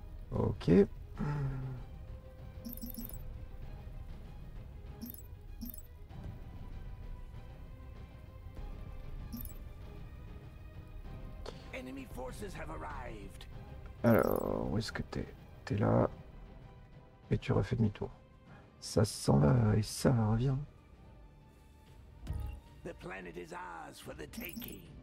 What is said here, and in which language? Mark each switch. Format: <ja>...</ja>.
<en>Ok. Enemy forces have arrived.</en> <fr>Alors, où est-ce que t'es? T'es là. Et tu refais demi-tour. Ça s'en va et ça va, revient.</fr> <en>The planet is ours for the taking.</en>